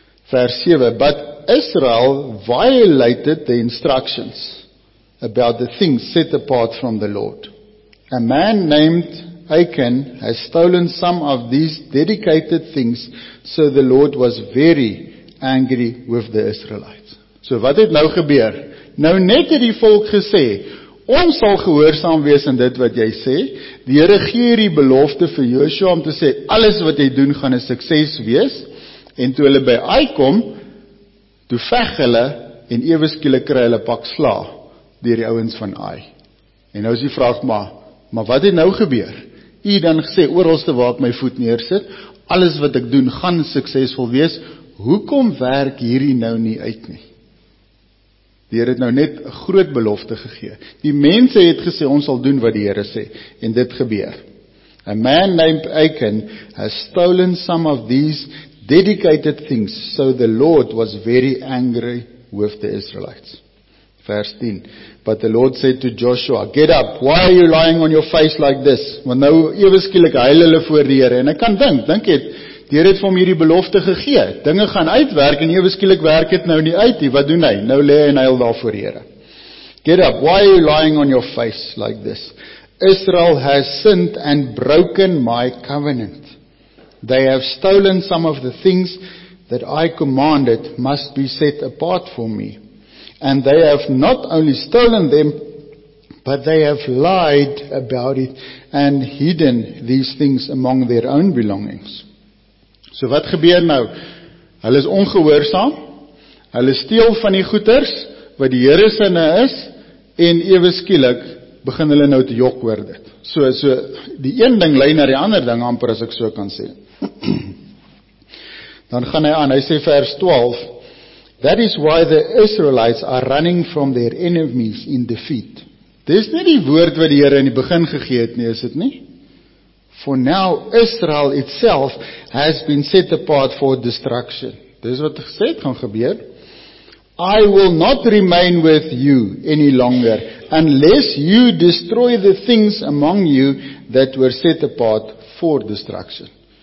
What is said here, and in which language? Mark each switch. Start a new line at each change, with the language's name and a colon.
English: Vers 7, but Israel violated the instructions about the things set apart from the Lord. A man named Achan has stolen some of these dedicated things, so the Lord was very angry with the Israelites.
Afrikaans: So wat het nou gebeur? Nou net het die volk gesê, ons sal gehoorsaam wees in dit wat jy sê. Die Here gee hierdie belofte vir Joshua om te sê, alles wat jy doen gaan 'n sukses wees. En toe hulle by Ai kom, toe veg hulle en ewe skielik kry hulle pak sla deur die ouens van Ai. En nou is die vraag maar wat het nou gebeur? U dan gesê, oralste waar ek my voet neersit, alles wat ek doen gaan suksesvol wees, hoekom werk hierdie nou nie uit nie? Die Here het nou net 'n groot belofte gegee. Die mense het gesê, ons sal doen wat die Here sê, en dit gebeur.
English: A man named Achan has stolen some of these dedicated things, so the Lord was very angry with the Israelites. Vers 10, but the Lord said to Joshua, get up, why are you lying on your face like this?
Afrikaans: Want nou, ewe skielik, huil hulle voor die Here, en ek kan dink het, die Here het vir hom hierdie belofte gegee, dinge gaan uitwerk, en ewe skielik werk het nou nie uit, wat doen hy? Nou lê hy en huil daar voor die Here.
English: Get up, why are you lying on your face like this? Israel has sinned and broken my covenant. They have stolen some of the things that I commanded must be set apart for me. And they have not only stolen them, but they have lied about it and hidden these things among their own belongings.
Afrikaans: So wat gebeur nou? Hulle is ongehoorsaam, hulle steel van die goeders, wat die Here syne is, en ewe skielik begin hulle nou te jok oor dit. So die een ding lei na die ander ding, amper as ek so kan sê. Dan gaan hy aan, hy sê vers 12,
English: that is why the Israelites are running from their enemies in defeat.
Afrikaans: Dis nie die woord wat die Here in die begin gegee het nie, is dit nie?
English: For now Israel itself has been set apart for destruction.
Afrikaans: Dis wat gesê het gaan gebeur.
English: I will not remain with you any longer unless you destroy the things among you that were set apart for destruction.